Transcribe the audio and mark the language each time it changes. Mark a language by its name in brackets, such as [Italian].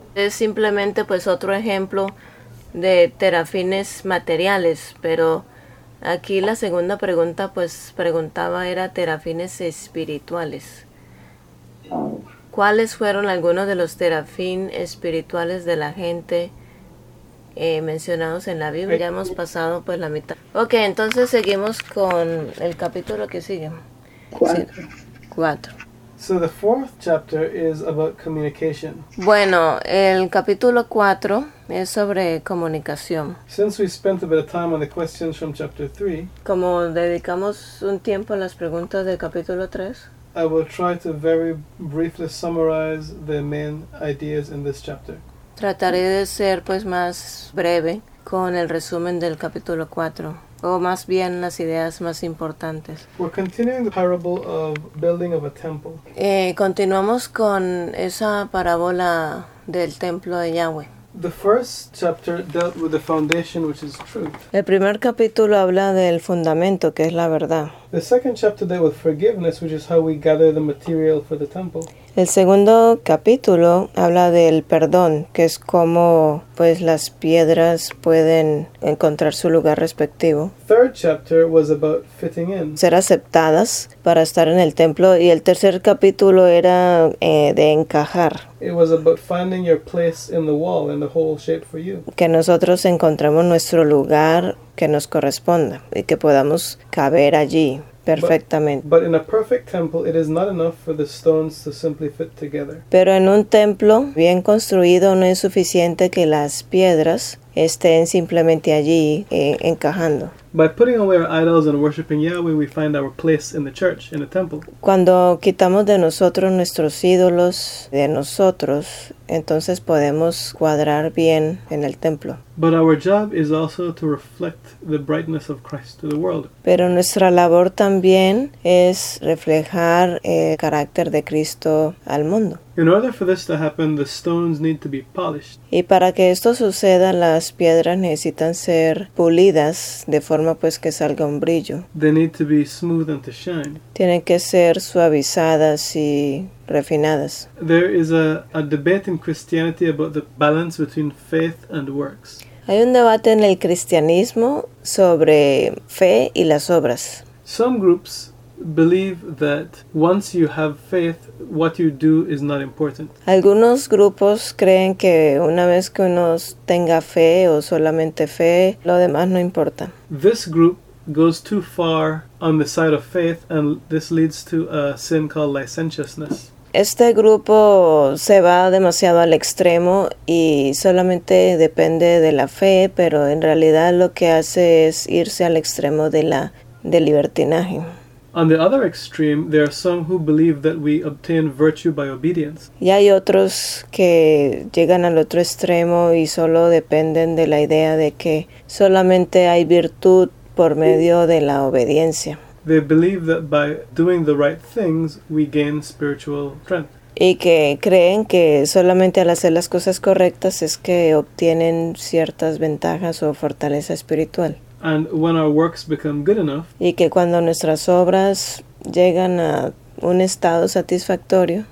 [Spanish] Es simplemente pues otro ejemplo de terafines materiales, pero aquí la segunda pregunta, pues, preguntaba, era terafines espirituales. ¿Cuáles fueron algunos de los terafín espirituales de la gente mencionados en la Biblia? Ya hemos pasado, pues, la mitad. Ok, entonces seguimos con el capítulo que sigue. Cuatro. [English] So the fourth chapter is about communication. [Spanish] Bueno, el capítulo 4 es sobre comunicación. [English] Since we spent a bit of time on the questions from chapter 3, [Spanish] como dedicamos un tiempo a las preguntas del capítulo 3, [English] I will try to very briefly summarize the main ideas in this chapter. [Spanish] Trataré de ser pues más breve con el resumen del capítulo 4. O más bien las ideas más importantes. [English] We're continuing the parable of building of a temple. [Spanish] Continuamos con esa parábola del templo de Yahweh. [English] The first chapter dealt with the foundation, which is truth. [Spanish] El primer capítulo habla del fundamento, que es la verdad. [English] The second chapter dealt with forgiveness, which is how we gather the material for the temple. [Spanish] El segundo capítulo habla del perdón, que es cómo pues las piedras pueden encontrar su lugar respectivo. [English] Third chapter was about fitting in. [Spanish] Ser aceptadas para estar en el templo, y el tercer capítulo era de encajar. [English] It was about finding your place in the wall and the hole shaped for you. [Spanish] Que nosotros encontremos nuestro lugar que nos corresponda y que podamos caber allí. Perfectamente. [English] But in a perfect temple, it is not enough for the stones to simply fit together. [Spanish] Pero en un templo bien construido no es suficiente que las piedras estén simplemente allí encajando. [English] By putting away our idols and worshiping Yahweh, we find our place in the church, in the temple. [Spanish] Cuando quitamos de nosotros nuestros ídolos, de nosotros, entonces podemos cuadrar bien en el templo. [English] But our job is also to reflect the brightness of Christ to the world. [Spanish] Pero nuestra labor también es reflejar el carácter de Cristo al mundo. [English] In order for this to happen, the stones need to be polished. [Spanish] Y para que esto suceda, las piedras necesitan ser pulidas de forma pues que salga un brillo. [English] They need to be smooth and to shine. [Spanish] Tienen que ser suavizadas y refinadas. [English] There is a debate in Christianity about the balance between faith and works. [Spanish] Hay un debate en el cristianismo sobre fe y las obras. [English] Some groups believe that once you have faith, what you do is not important. [Spanish] Algunos grupos creen que una vez que uno tenga fe o solamente fe, lo demás no importa. [English] This group goes too far on the side of faith, and this leads to a sin called licentiousness. [Spanish] Este grupo se va demasiado al extremo y solamente depende de la fe, pero en realidad lo que hace es irse al extremo del libertinaje. [English] On the other extreme, there are some who believe that we obtain virtue by obedience. [Spanish] Y hay otros que llegan al otro extremo y solo dependen de la idea de que solamente hay virtud por medio de la obediencia. [English] They believe that by doing the right things, we gain spiritual strength. [Spanish] Y que creen que solamente al hacer las cosas correctas es que obtienen ciertas ventajas o fortaleza espiritual. [English] And when our works become good enough, [Spanish] y que cuando nuestras obras llegan a un estado satisfactorio,